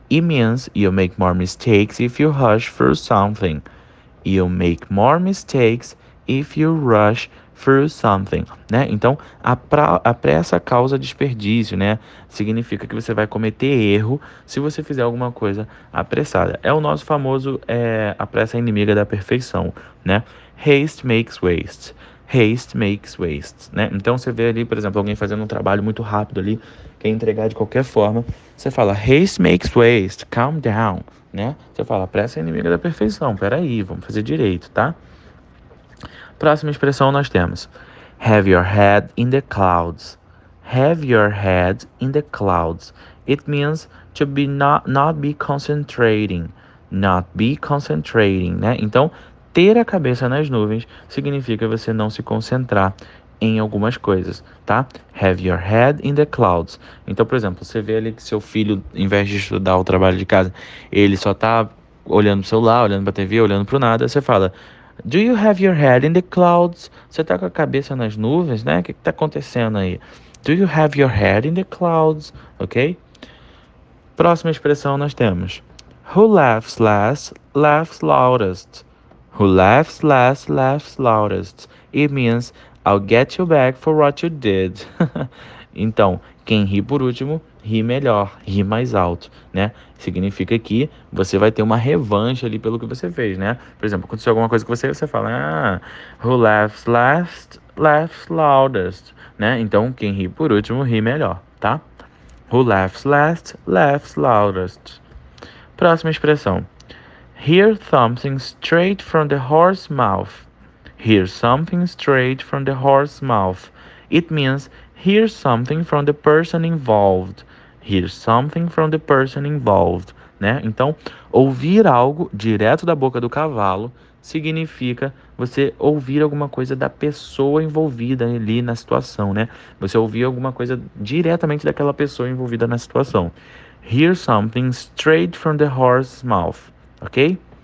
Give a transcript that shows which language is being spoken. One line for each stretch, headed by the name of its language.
English: It means you make more mistakes if you rush through something. You make more mistakes if you rush through something, né?
Portuguese: Então, a pressa causa desperdício, né? Significa que você vai cometer erro se você fizer alguma coisa apressada. É o nosso famoso, a pressa inimiga da perfeição, né?
English: Haste makes waste. Haste makes waste, né?
Portuguese: Então, você vê ali, por exemplo, alguém fazendo um trabalho muito rápido ali, quer entregar de qualquer forma, você fala,
English: haste makes waste, calm down,
Portuguese: né? Você fala, pressa é inimiga da perfeição, peraí, vamos fazer direito, tá? Próxima expressão nós temos.
English: Have your head in the clouds. Have your head in the clouds. It means to be not be concentrating. Not be concentrating, né?
Portuguese: Então, ter a cabeça nas nuvens significa você não se concentrar em algumas coisas, tá?
English: Have your head in the clouds.
Portuguese: Então, por exemplo, você vê ali que seu filho, em vez de estudar o trabalho de casa, ele só tá olhando pro celular, olhando pra TV, olhando pro nada, você fala.
English: Do you have your head in the clouds?
Portuguese: Você tá com a cabeça nas nuvens, né? O que que tá acontecendo aí?
English: Do you have your head in the clouds?
Portuguese: Ok? Próxima expressão nós temos.
English: Who laughs last, laughs loudest. Who laughs last, laughs loudest. It means I'll get you back for what you did.
Portuguese: Então, quem ri por último, ri melhor, ri mais alto, né? Significa que você vai ter uma revanche ali pelo que você fez, né? Por exemplo, aconteceu alguma coisa com você, você fala, ah,
English: who laughs last, laughs loudest,
Portuguese: né? Então, quem ri por último, ri melhor, tá?
English: Who laughs last, laughs loudest.
Portuguese: Próxima expressão.
English: Hear something straight from the horse mouth. Hear something straight from the horse mouth. It means hear something from the person involved. Hear something from the person involved, né?
Portuguese: Então, ouvir algo direto da boca do cavalo significa você ouvir alguma coisa da pessoa envolvida ali na situação, né? Você ouvir alguma coisa diretamente daquela pessoa envolvida na situação.
English: Hear something straight from the horse's mouth, ok?